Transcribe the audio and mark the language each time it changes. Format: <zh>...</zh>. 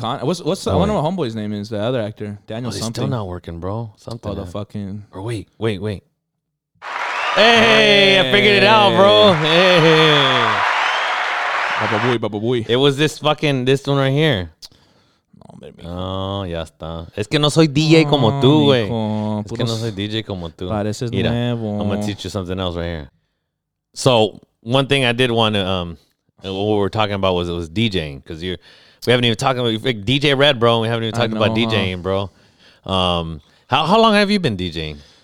<en>I wonder what homeboy's name is, the other actor. Daniel something. Still not working, bro. Something. Motherfucking. Or wait. Hey, I figured it out, bro. Hey. Baba boy. It was this one right here. No, baby.</en> <es>Oh, ya está. Es que no soy DJ como tú, güey. Es que no soy DJ como tú. Pareces mira, nuevo.</es> <en>I'm going to teach you something else right here. So, one thing I did want to... what we were talking about was DJing, because we haven't even talked about DJing, bro. How long have you been DJing?</en>